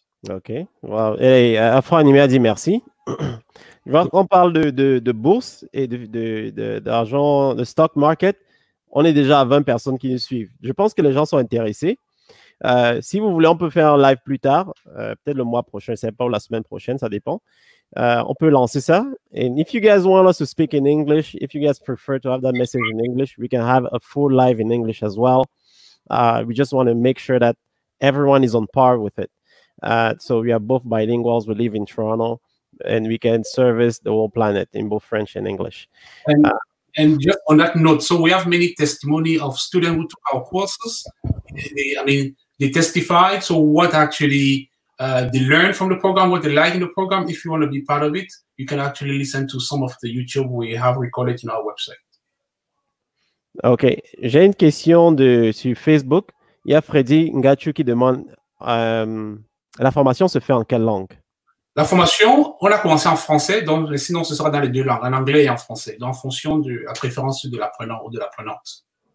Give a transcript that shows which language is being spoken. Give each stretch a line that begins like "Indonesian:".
French: OK. Wow. Et Afro-Animé a dit merci. On parle de bourse et d'argent, de stock market. On est déjà à 20 personnes qui nous suivent. Je pense que les gens sont intéressés. Si vous voulez, on peut faire un live plus tard, peut-être le mois prochain, c'est pas, ou la semaine prochaine, ça dépend. On peut lancer ça.
English: And if you guys want us to speak in English, if you guys prefer to have that message in English, we can have a full live in English as well. We just want to make sure that everyone is on par with it. So we are both bilinguals. We live in Toronto. And we can service the whole planet in both French and English. And just on that note, so we have many testimony of students who took our courses. They testified. So what actually they learned from the program, what they like in the program, if you want to be part of it, you can actually listen to some of the YouTube we have recorded in our website.
French: Okay. J'ai une question sur Facebook. Il y a Freddy Ngachu qui demande, la formation se fait en quelle langue? La formation, on a commencé en français, donc sinon ce sera dans les deux langues, en anglais et en français, donc en fonction de la préférence de l'apprenant ou de l'apprenante.